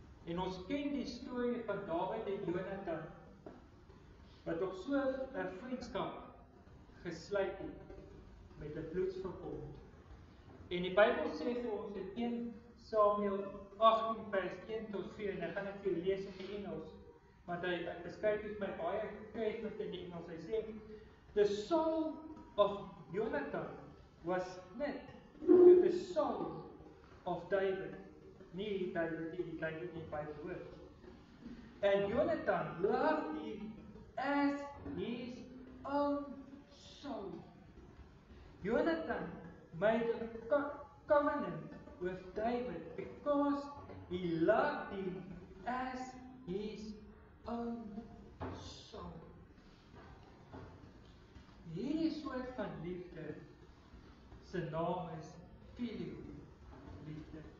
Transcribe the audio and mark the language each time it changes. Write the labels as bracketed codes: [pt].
[af] En ons ken die storie van Dawid en Jonathan wat op so 'n vriendskap gesluit het met 'n bloedsverbond. En die Bybel sê vir ons in 1 Samuel 18 vers 1 tot 4, en ek gaan dit vir julle lees in die Engels, want hy beskryf dit my baie treffend in die Engels. Hy sê, [en] "The soul of Jonathan was knit to the soul of David." [af] Nie David, die klein in die Bybel hoort. [en] "And Jonathan loved him as his own soul." Jonathan made a covenant with David because he loved him as his own soul. [af] Hierdie soort van liefde se naam is filio liefde.